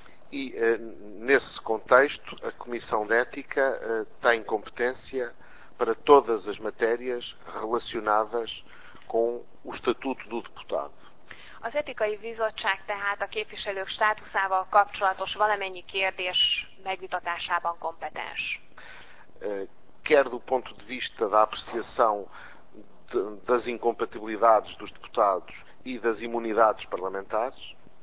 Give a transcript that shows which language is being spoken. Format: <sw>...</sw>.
<pt>E nesse contexto, a Comissão de Ética tem competência para todas as matérias relacionadas com o Estatuto do Deputado.</pt> <hu>Az etikai bizottság tehát a képviselők státuszával kapcsolatos valamennyi kérdés megvitatásában kompetens.</hu> <pt>Quer do ponto de vista da apreciação das incompatibilidades dos deputados e das imunidades parlamentares,</pt>